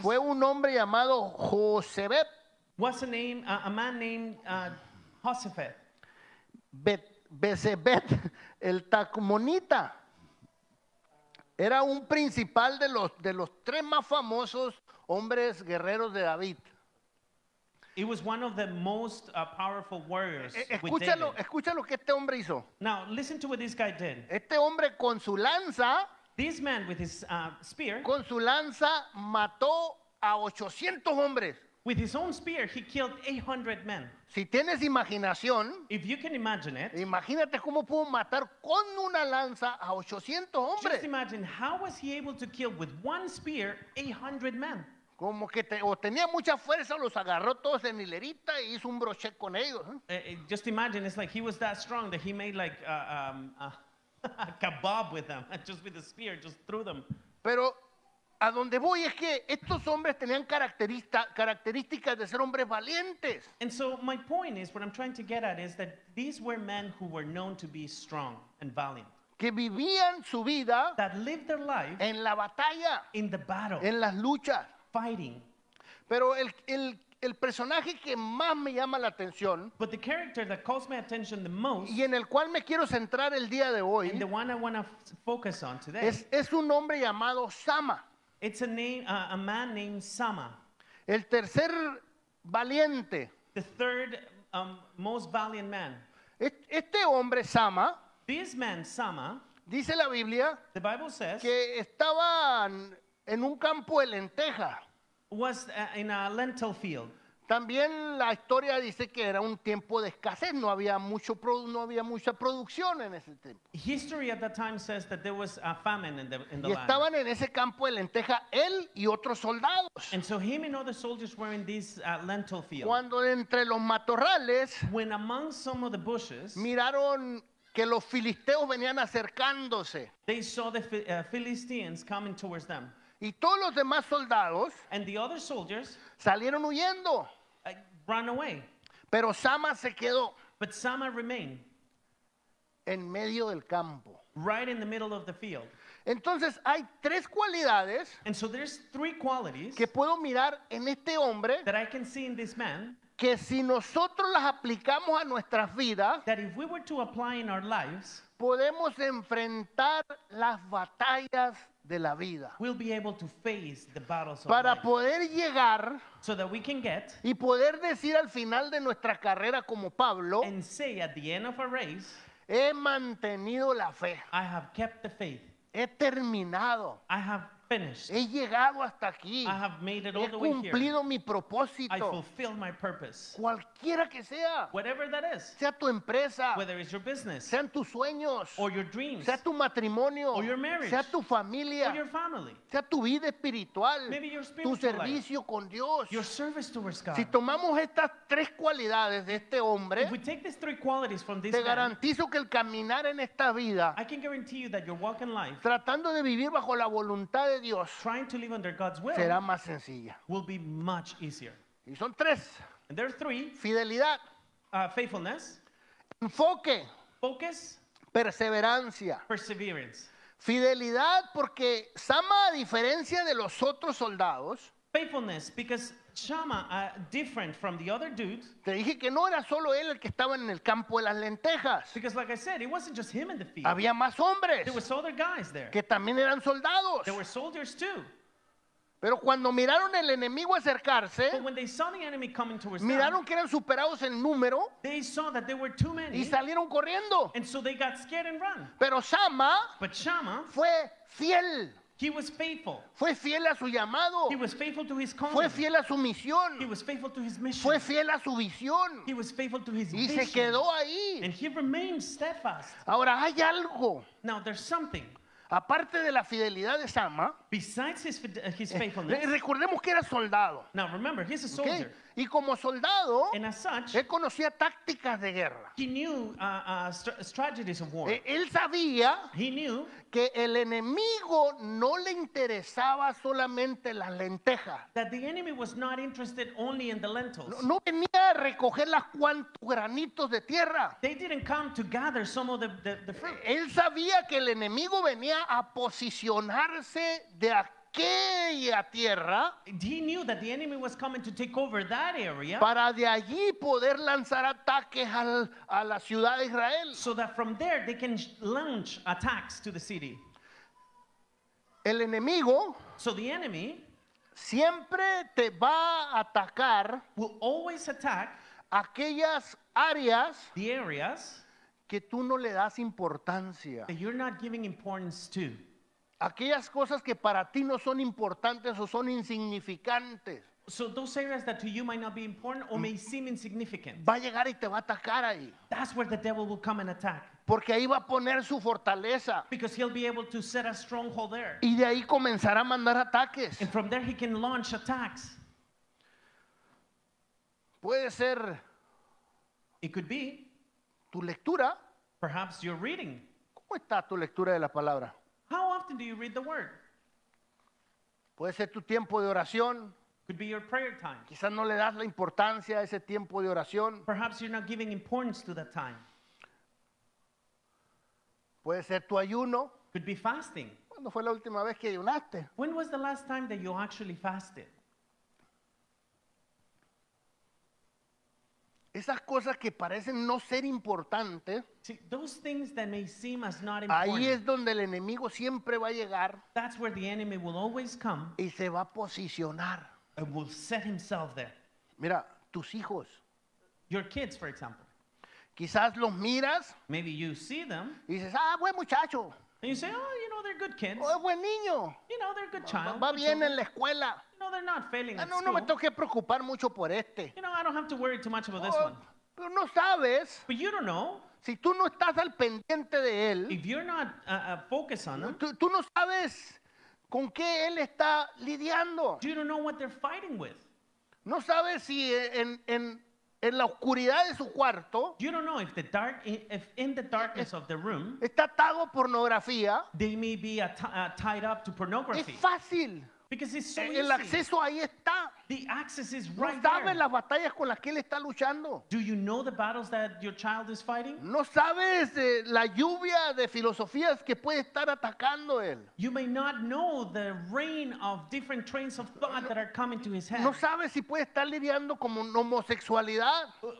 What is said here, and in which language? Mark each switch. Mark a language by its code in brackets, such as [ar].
[es] Fue un hombre llamado Josebet. [en] Was a name, a man named Josebet. [es] Bezebet, el Tacmonita. Era un principal de los tres más famosos hombres guerreros de David. [en] He was one of the most powerful warriors. [es] Escúchalo, escúchalo que este hombre hizo. [en] Now, listen to what this guy did. [es] Este hombre con su lanza, [en] this man with his spear, [es] con su lanza mató a 800 hombres. [en] With his own spear, he killed 800 men. [es] Si tienes imaginación, [en] if you can imagine it, [es] imagínate cómo pudo matar con una lanza a 800 hombres. [en] Just imagine, how was he able to kill with one spear 800 men? [es] Como que o tenía mucha fuerza, los agarró todos en hilerita y hizo un broche con ellos. [en] Just imagine, it's like he was that strong that he made like a kebab with them, just with a spear, just threw them. [es] Pero a donde voy es que estos hombres tenían características de ser hombres valientes. [en] And so my point is, what I'm trying to get at is that these were men who were known to be strong and valiant. [es] Que vivían su vida, [en] that lived their life, [es] en la batalla, [en] in the battle, [es] en las luchas. [en] Fighting. [es] Pero el personaje que más me llama la atención, [en] but the character that calls my attention the most, [es] y en el cual me quiero centrar el día de hoy, [en] and the one I want to focus on today, [es] es un hombre llamado Sama. [en] It's a name, a man named Sama. [es] El tercer valiente. [en] The third most valiant man. [es] Este hombre Sama, [en] this man Sama, [es] dice la Biblia, [en] the Bible says, [es] que estaban en un campo de lenteja. [en] Was in a lentil field. [es] También la historia dice que era un tiempo de escasez, no había mucha producción en ese tiempo. [en] History at that time says that there was a famine in the land. [es] Y estaban en ese campo de lenteja él y otros soldados. [en] And so him and other soldiers were in this lentil field. [es] Cuando entre los matorrales, [en] when among some of the bushes, [es] miraron que los filisteos venían acercándose. [en] They saw the Philistines coming towards them. [es] Y todos los demás soldados [en] and the other soldiers [es] salieron huyendo. [en] Run away. [es] Pero Sama se quedó. [en] But Sama remained. [es] En medio del campo. [en] Right in the middle of the field. [es] Entonces hay tres cualidades [en] and so there's three qualities [es] que puedo mirar en este hombre [en] that I can see in this man [es] que si nosotros las aplicamos a nuestras vidas [en] that if we were to apply in our lives [es] podemos enfrentar las batallas de la vida. [en] We'll be able to face the battles of life. [es] Para poder llegar [en] so that we can get [es] y poder decir al final de nuestra carrera como Pablo [en] and say at the end of our race [es] he mantenido la fe. [en] I have kept the faith. [es] He terminado. [en] I have finished. [es] He llegado hasta aquí. [en] I have made it [es] he [en] all the [es] cumplido [en] way here. [es] Mi propósito. [en] I fulfilled my purpose. [es] Cualquiera que sea. [en] Whatever that is. [es] Sea tu empresa. [en] Whether it's your business. [es] Sean tus sueños. [en] Or your dreams. [es] Sea tu matrimonio. [en] Or your marriage. [es] Sea tu familia. [en] Or your family. [es] Sea tu vida espiritual. [en] Maybe your spiritual [es] tu servicio [en] life. [es] Con Dios. [en] Your service towards God. [es] Si tomamos estas tres cualidades de este hombre. [en] If we take these three qualities from this [es] te [en] man, [es] garantizo que el caminar en esta vida. [en] I can guarantee you that your walk in life. [es] Tratando de vivir bajo la voluntad de Dios. [en] Trying to live under God's will. [es] Será más sencilla. [en] Will be much easier. [es] Y son tres. [en] And there are three. [es] Fidelidad. [en] Faithfulness. [es] Enfoque. [en] Focus. [es] Perseverancia. [en] Perseverance. [es] Fidelidad porque Sama, a diferencia de los otros soldados. [en] Faithfulness because Sama, different from the other dudes. [es] Te dije que no era solo él el que estaba en el campo de las lentejas. [en] Because like I said, it wasn't just him in the field. [es] Había más hombres. [en] There was other guys there. [es] Que también eran soldados. [en] There were soldiers too. [es] Pero cuando miraron el enemigo acercarse, [en] but when they saw the enemy coming towards them, [es] miraron que eran superados en número, [en] they saw that there were too many, [es] y salieron corriendo. [en] And so they got scared and ran. [es] Pero Sama, [en] but Sama [es] fue fiel. [en] He was faithful. [es] Fue fiel a su llamado. [en] He was faithful to his calling. [es] Fue fiel a su misión. [en] He was faithful to his mission. [es] Fue fiel a su visión. [en] He was faithful to his [es] y [en] vision. [es] Se quedó ahí. [en] And he remained steadfast. [es] Ahora hay algo. [en] Now there's something. [es] Aparte de la fidelidad de Sama, [en] besides his faithfulness, [es] recordemos que era soldado. [en] Now remember, he's a soldier. [es] Okay? Y como soldado, [en] and as such, [es] él conocía tácticas de guerra. [en] He knew strategies of war. [es] Él sabía [en] he knew [es] que el enemigo no le interesaba solamente las lentejas. [en] That the enemy was not interested only in the lentils. [es] No venía a recoger las cuantos granitos de tierra. [en] They didn't come to gather some of the fruit. [es] Él sabía que el enemigo venía a posicionarse de aquí. Aquella tierra, [en] he knew that the enemy was coming to take over that area [es] para de allí poder lanzar ataques a la ciudad de Israel. [en] So that from there they can launch attacks to the city. [es] El enemigo, [en] so the enemy [es] siempre te va a atacar, [en] will always attack [es] aquellas áreas, [en] the areas [es] que tú no le das importancia, [en] that you're not giving importance to. [es] Aquellas cosas que para ti no son importantes o son insignificantes. [en] So those areas that to you might not be important or may seem insignificant. [es] Va a llegar y te va a atacar ahí. [en] That's where the devil will come and attack. [es] Porque ahí va a poner su fortaleza. [en] Because he'll be able to set a stronghold there. [es] Y de ahí comenzará a mandar ataques. [en] And from there he can launch attacks. [es] Puede ser. [en] It could be. [es] Tu lectura. [en] Perhaps your reading. [es] ¿Cómo está tu lectura de la palabra? [en] How often do you read the word? [es] Puede ser tu tiempo de oración. [en] Could be your prayer time. [es] Quizás no le das la importancia a ese tiempo de oración. [en] Perhaps you're not giving importance to that time. [es] Puede ser tu ayuno. [en] Could be fasting. [es] ¿Cuándo fue la última vez que ayunaste? [en] When was the last time that you actually fasted? [es] Esas cosas que parecen no ser importantes. [en] See, those things that may seem as not important. [es] Ahí es donde el enemigo siempre va a llegar. [en] That's where the enemy will always come. [es] Y se va a posicionar. [en] And will set himself there. [es] Mira, tus hijos. [en] Your kids, for example. [es] Quizás los miras. [en] Maybe you see them. [es] Y dices, ah, buen muchacho. [en] And you say, oh, you know, they're good kids. [es] Oh, buen niño. [en] You know, they're a good child. [es] Va bien en la escuela. [en] You know, they're not failing at school. [es] No me tengo que preocupar mucho por este. [en] You know, I don't have to worry too much about this one. [es] Pero no sabes. [en] But you don't know. [es] Si tú no estás al pendiente de él. [en] If you're not focused on them. [es] Tú no sabes con qué él está lidiando. [en] You don't know what they're fighting with. [es] No sabes si en En la oscuridad de su cuarto, [en] you don't know if the dark, if in the darkness of the room, [es] está atado pornografía, [en] they may be tied up to pornography. [es] Es fácil. [en] Because it's so easy. [es] El acceso ahí está. [en] The access is right there. [es] ¿No sabes las batallas con las que él está luchando? [en] Do you know the battles that your child is fighting? [es] ¿No sabes la lluvia de filosofías que puede estar atacando él? [en] You may not know the rain of different trains of thought that are coming to his head. [es] ¿No sabes si puede estar lidiando con homosexualidad?